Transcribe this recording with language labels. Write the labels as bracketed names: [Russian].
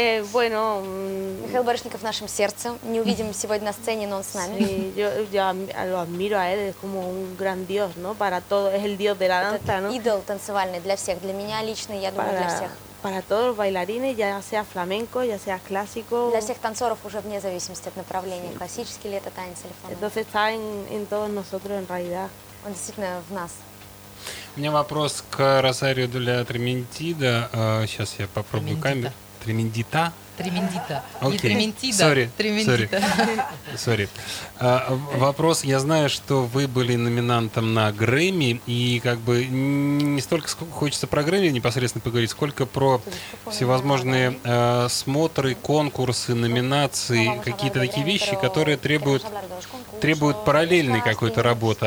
[Russian] Михаил Барышников в нашем сердце. Не увидим сегодня на сцене, но он с нами. Я его [Spanish] admiro, [Russian] а это [Spanish] como un gran dios, ¿no? Para todo, es el dios de la danza, ¿no? [Russian] Идол танцевальный для всех, для меня лично, я думаю, для всех. [Spanish] Para todos los bailarines, ya sea flamenco, ya sea clásico. [Russian] Для всех танцоров уже вне зависимости от направления, классический ли это танец или фламенко. [Spanish] Entonces está en todos nosotros en realidad. [Russian] Он действительно в нас. У меня вопрос к Росарио Дуля Тремендида. Сейчас я попробую камеру. Тремендита? Тремендита. Okay. Не Тремендида, Тремендита. Sorry. Вопрос. Я знаю, что вы были номинантом на Грэмми, и как бы не столько хочется про Грэмми непосредственно поговорить, сколько про всевозможные смотры, конкурсы, номинации, какие-то такие вещи, которые требуют параллельной какой-то работы.